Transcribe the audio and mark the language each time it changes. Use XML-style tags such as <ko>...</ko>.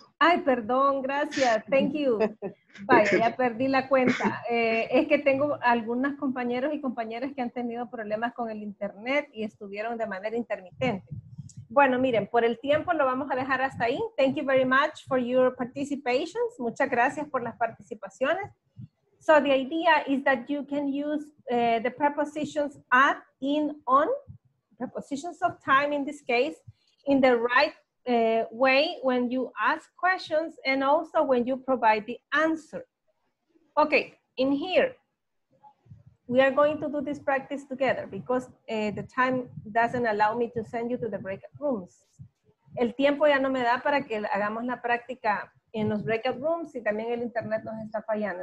<es>Ay, perdón, gracias.</es> <en>Thank you.</en> <es>Vaya, ya perdí la cuenta. Es que tengo algunos compañeros y compañeras que han tenido problemas con el internet y estuvieron de manera intermitente. Bueno, miren, por el tiempo lo vamos a dejar hasta ahí.</es> <en>Thank you very much for your participations.</en> <es>Muchas gracias por las participaciones.</es> <en>So the idea is that you can use the prepositions at, in, on, prepositions of time in this case, in the right way when you ask questions and also when you provide the answer. Okay, in here, we are going to do this practice together because the time doesn't allow me to send you to the breakout rooms.</en> <es>El tiempo ya no me da para que hagamos la práctica en los breakout rooms y también el internet nos está fallando.</es>